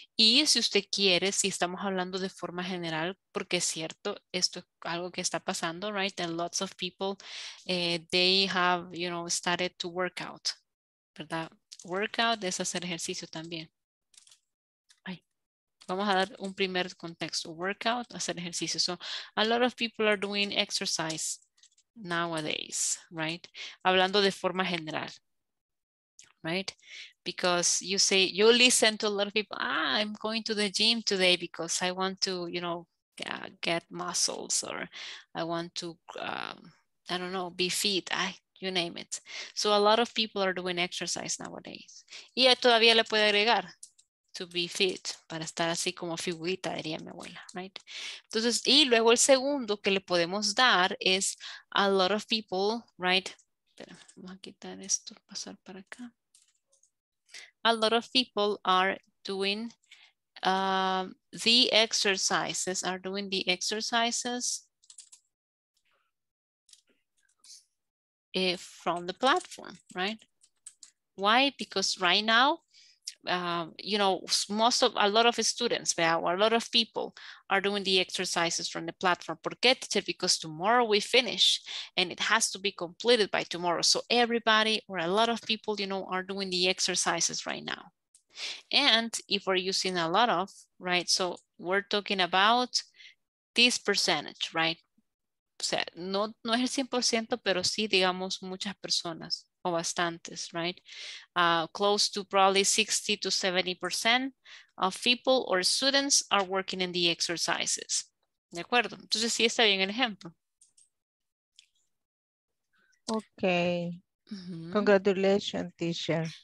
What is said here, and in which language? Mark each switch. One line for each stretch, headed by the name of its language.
Spanish: Y si usted quiere, si estamos hablando de forma general, porque es cierto, esto es algo que está pasando, right?
English: And lots of people, they have, you know, started to work out, ¿verdad?
Spanish: Workout es hacer ejercicio también. Ay, vamos a dar un primer contexto.
English: Workout,
Spanish: hacer ejercicio.
English: So, a lot of people are doing exercise nowadays, right?
Spanish: Hablando de forma general,
English: right? Because you say, you listen to a lot of people, I'm going to the gym today because I want to, you know, get muscles, or I want to, I don't know, be fit, you name it. So a lot of people are doing exercise nowadays.
Spanish: Y todavía le puedo agregar,
English: to be fit,
Spanish: para estar así como figurita, diría mi abuela, right? Entonces, y luego el segundo que le podemos dar es
English: a lot of people, right?
Spanish: Espera, vamos a quitar esto, pasar para acá.
English: A lot of people are doing the exercises, are doing the exercises from the platform, right? Why? Because right now, you know, a lot of students, a lot of people are doing the exercises from the platform.
Spanish: ¿Por qué, teacher?
English: Because tomorrow we finish and it has to be completed by tomorrow. So everybody or a lot of people, you know, are doing the exercises right now. And if we're using a lot of, right? So we're talking about this percentage, right?
Spanish: O sea, no es el 100%, pero sí, digamos, muchas personas o bastantes, right?
English: Close to probably 60 to 70% of people or students are working in the exercises.
Spanish: ¿De acuerdo? Entonces, sí está bien el ejemplo.
English: Ok. Mm-hmm. Congratulations, teacher.